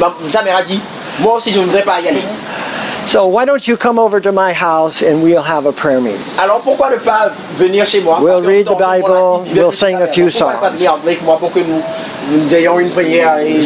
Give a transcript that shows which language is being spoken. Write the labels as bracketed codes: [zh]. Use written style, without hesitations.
[fr] Sa mère a dit, moi aussi, je ne voudrais pas y aller. [en] So why don't you come over to my house and we'll have a prayer meeting. [fr] Alors pourquoi ne pas venir chez moi? [en] We'll read the Bible, we'll sing a few songs. [fr] Pourquoi pas venir avec moi pour que nous ayons une prière.